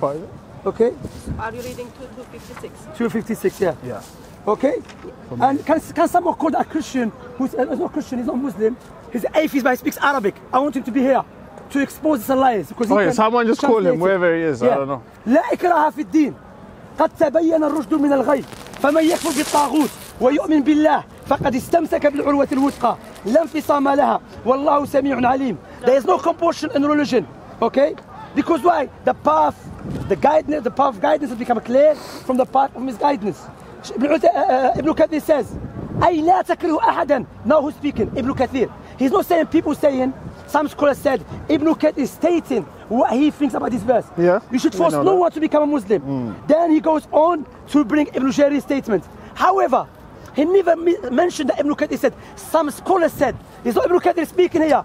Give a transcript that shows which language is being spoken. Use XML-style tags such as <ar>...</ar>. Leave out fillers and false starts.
<en>Part? Okay. Are you reading 256? 256, yeah. Yeah. Okay? Yeah. And can someone call that Christian, who's not Christian, he's not Muslim, he's an atheist but he speaks Arabic. I want him to be here. To expose his lies. Oh yeah, someone just call him, wherever he is, yeah. I don't know.</en> <ar>لا إكراه في الدين قد تبين الرشد من الغي فمن يكفر بالطاغوت ويؤمن بالله فقد استمسك بالعروة الوثقى لا انفصام لها والله سميع عليم.</ar> <en>There is no compulsion in religion, okay? Because why? The path, the guidance, the path of guidance has become clear from the path of misguidance. Ibn Kathir says,</en> <ar>أي لا تكره أحدا.</ar> <en>Now who's speaking? Ibn Kathir. He's not saying people saying. Some scholars said Ibn Kathir is stating what he thinks about this verse. Yeah. You should force no one to become a Muslim. Mm. Then he goes on to bring Ibn Jarir's statement. However, he never mentioned that Ibn Kathir said. Some scholars said. It's not Ibn Kathir speaking here.</en>